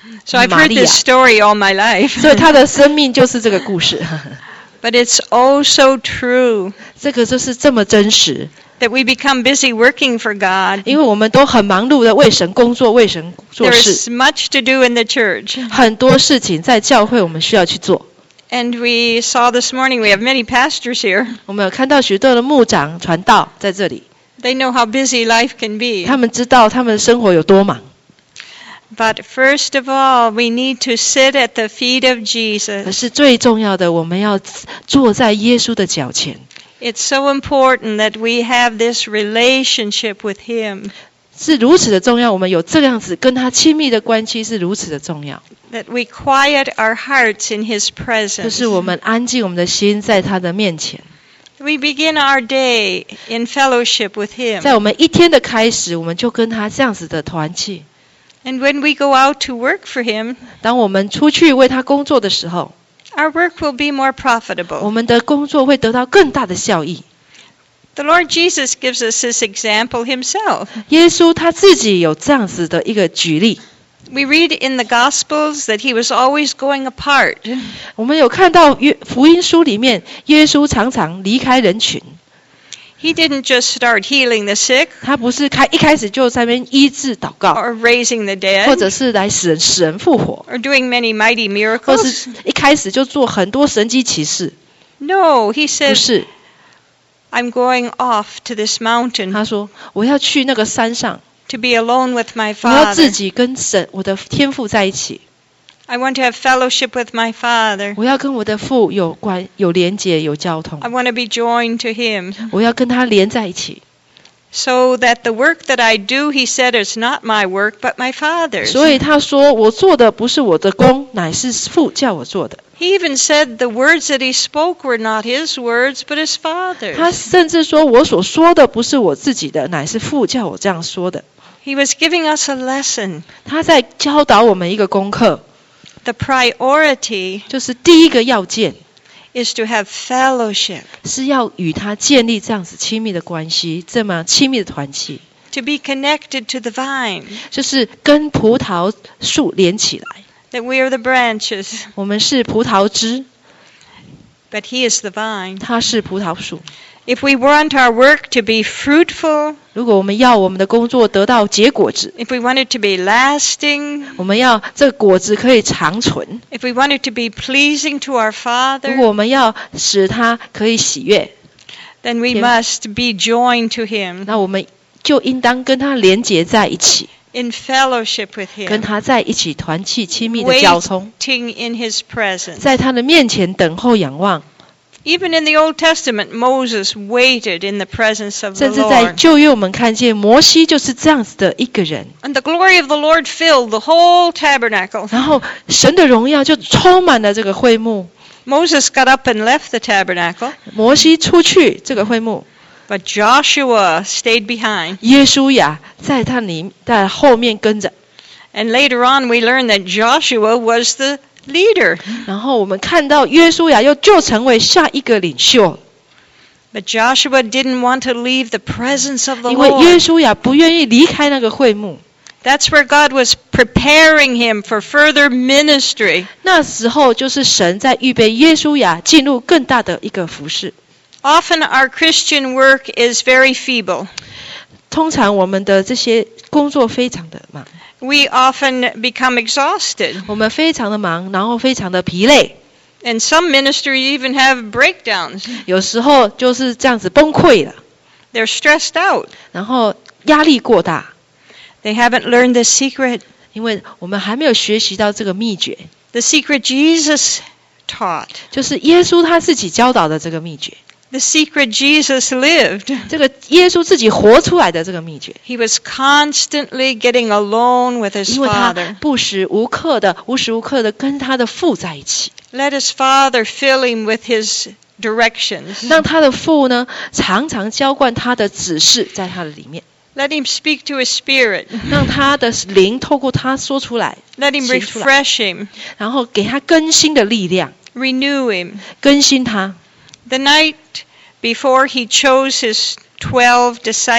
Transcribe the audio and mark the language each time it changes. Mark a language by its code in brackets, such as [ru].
[en] So I've heard this story all my life. [zh] 所以他的生命就是这个故事。 [en] But it's also true. [zh] 这个就是这么真实。 [en] That we become busy working for God. [zh] 因为我们都很忙碌的为神工作，为神做事。 [en] There's much to do in the church. [zh] 很多事情在教会我们需要去做。 [en] And we saw this morning we have many pastors here. [zh] 我们有看到许多的牧长传道在这里。 [en] They know how busy life can be. [zh] 他们知道他们的生活有多忙。 [en] But first of all, we need to sit at the feet of Jesus. [zh] 可是最重要的，我们要坐在耶稣的脚前。 [en] It's so important that we have this relationship with Him. [zh] 是如此的重要，我们有这样子跟他亲密的关系是如此的重要。 [en] That we quiet our hearts in His presence. [zh] 就是我们安静我们的心在他的面前。 [en] We begin our day in fellowship with Him. [zh] 在我们一天的开始，我们就跟他这样子的团契。 [en] And when we go out to work for Him, [zh] 当我们出去为他工作的时候 [en] our work will be more profitable. [zh] 我们的工作会得到更大的效益。 [en] The Lord Jesus gives us this example Himself. [zh] 耶稣他自己有这样子的一个举例。 [en] We read in the Gospels that He was always going apart. [zh] 我们有看到福音书里面，耶稣常常离开人群。 [en] He didn't just start healing the sick. [zh] 他不是一开始就在那边医治祷告。 [en] Or raising the dead. [zh] 或者是来使人复活。 [en] Or doing many mighty miracles. [zh] 或是一开始就做很多神迹奇事。 [en] No, he said. [zh] 不是。 [en] I'm going off to this mountain. [zh] 他说，我要去那个山上。 [en] To be alone with my father. [zh] 我要自己跟神，我的天父在一起。 [en] I want to have fellowship with my father. [zh] 我要跟我的父有关有连结有交通。 [en] I want to be joined to him. [zh] 我要跟他连在一起。 [en] So that the work that I do, he said, is not my work, but my father's. [zh] 所以他说我做的不是我的工，乃是父叫我做的。 [en] He even said the words that he spoke were not his words, but his father's. [zh] 他甚至说我所说的不是我自己的，乃是父叫我这样说的。 [en] He was giving us a lesson. [zh] 他在教导我们一个功课。 [en] The priority [zh] 就是第一个要件 [en] is to have fellowship [zh] 是要与他建立这样子亲密的关系，这么亲密的团契 [en] to be connected to the vine [zh] 就是跟葡萄树连起来 [en] that we are the branches [zh] 我们是葡萄枝 [en] but he is the vine [zh] 他是葡萄树 [en] if we want our work to be fruitful [zh] 如果我们要我们的工作得到结果子 [en] if we want it to be lasting [zh] 我们要这个果子可以长存 [en] if we want it to be pleasing to our father [zh] 如果我们要使他可以喜悦 [en] then we must be joined to him [zh] 那我们就应当跟他连结在一起。 [en] In fellowship with him, [zh] 跟他在一起团契亲密的交通。 [en] Waiting in his presence, [zh] 在他的面前等候仰望。 [en] Even in the Old Testament, Moses waited in the presence of the Lord. [zh] 甚至在旧约我们看见摩西就是这样子的一个人。 [en] And the glory of the Lord filled the whole tabernacle. [zh] 然后神的荣耀就充满了这个会幕。 [en] Moses got up and left the tabernacle. [zh] 摩西出去这个会幕。 [en] But Joshua stayed behind. [zh] 耶稣亚在他里在后面跟着。 [en] And later on, we learn that Joshua was the leader. [zh] 然后我们看到耶稣亚又就成为下一个领袖。 [en] But Joshua didn't want to leave the presence of the Lord. [zh] 因为耶稣亚不愿意离开那个会幕。 [en] That's where God was preparing him for further ministry. [zh] 那时候就是神在预备耶稣亚进入更大的一个服事。 [en] Often our Christian work is very feeble. [zh] 通常我们的这些工作非常的忙。 [en] We often become exhausted. [zh] 我们非常的忙，然后非常的疲累。 [en] And some ministries even have breakdowns. [zh] 有时候就是这样子崩溃了。 [en] They're stressed out. [zh] 然后压力过大。 [en] They haven't learned the secret. [zh] 因为我们还没有学习到这个秘诀。 [en] The secret Jesus taught. [zh] 就是耶稣他自己教导的这个秘诀。 [en] The secret Jesus lived. [zh] 这个耶稣自己活出来的这个秘诀。 [en] He was constantly getting alone with his father. [zh] 因为他不时无刻的、无时无刻的跟他的父在一起。 [en] Let his father fill him with his directions. [zh] 让他的父呢，常常浇灌他的指示在他的里面。 [en] Let him speak to his spirit. [zh] 让他的灵透过他说出来。 [en] Let him refresh him. [zh] 然后给他更新的力量。 [en] Renew him. [zh] 更新他。 [en] The night before he chose his 12 disciples,